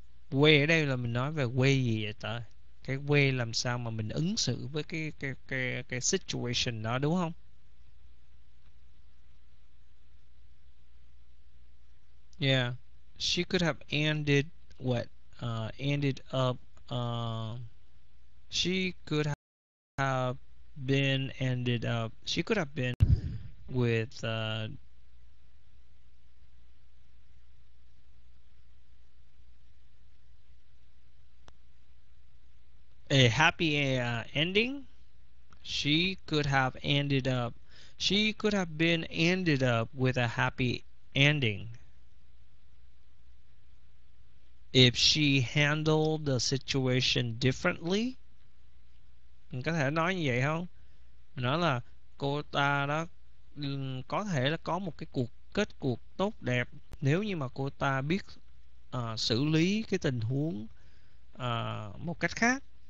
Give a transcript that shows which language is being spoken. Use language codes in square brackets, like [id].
[vi] Quê ở đây là mình nói về quê gì vậy ta? Cái quê làm sao mà mình ứng xử với cái situation đó đúng không? [en] Yeah, she could have ended what ended up she could have been ended up she could have been with a happy ending. She could have ended up. She could have been ended up with a happy ending if she handled the situation differently. [vi] Mình có thể nói như vậy không? Mình nói là cô ta đó có thể là có một cái cuộc kết cuộc tốt đẹp nếu như mà cô ta biết xử lý cái tình huống một cách khác.